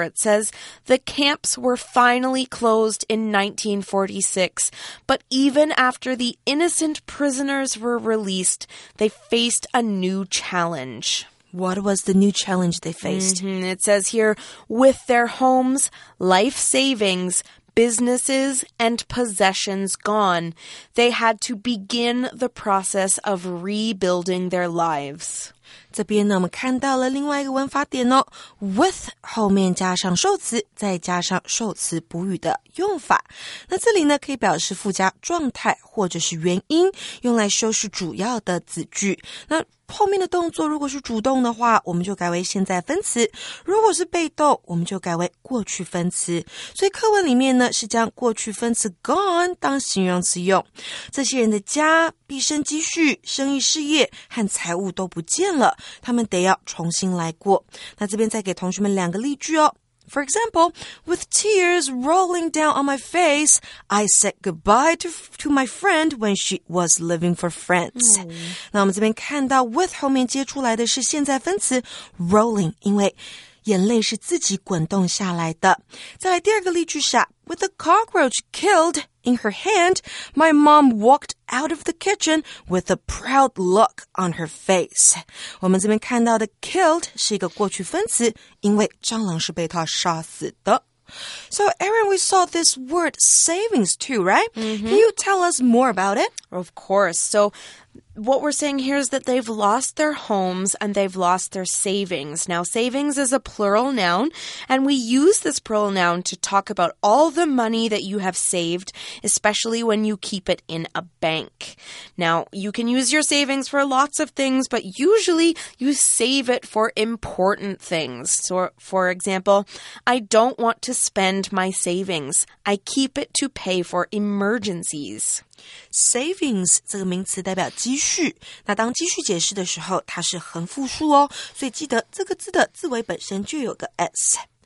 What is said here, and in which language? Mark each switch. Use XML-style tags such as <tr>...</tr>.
<en>It says the camps were finally closed in 1946, but even after the innocent prisoners were released, they faced a new challenge. What was the new challenge they faced? It says here, with their homes, life savings, businesses, and possessions gone, they had to begin the process of rebuilding their lives.</en> <zh>这边呢，我们看到了另外一个文法点哦 ，with 后面加上受词，再加上受词补语的用法。那这里呢，可以表示附加状态或者是原因，用来修饰主要的子句。那后面的动作如果是主动的话，我们就改为现在分词；如果是被动，我们就改为过去分词。所以课文里面呢，是将过去分词 gone 当形容词用。这些人的家、毕生积蓄、生意事业和财物都不见了。他们得要重新来过。那这边再给同学们两个例句哦。</zh> <en>For example, with tears rolling down on my face, I said goodbye to my friend when she was living for France.</en> <zh>那我们这边看到 with 后面接出来的是现在分词 rolling, 因为眼泪是自己滚动下来的。再来第二个例句是啊</zh> <en>,with a cockroach killed in her hand, my mom walked out of the kitchen with a proud look on her face.</en> <zh>我们这边看到的 killed 是一个过去分词,因为蟑螂是被她杀死的。</zh> <en>So, Aaron, we saw this word savings too, right? Can you tell us more about it? Of course. So, what we're saying here is that they've lost their homes and they've lost their savings. Now, savings is a plural noun, and we use this plural noun to talk about all the money that you have saved, especially when you keep it in a bank. Now, you can use your savings for lots of things, but usually you save it for important things. So, for example, I don't want to spend my savings. I keep it to pay for emergencies.</en> <zh>Savings 这个名词代表积蓄，那当积蓄解释的时候，它是横复数哦，所以记得这个字的字尾本身就有个 s。</zh>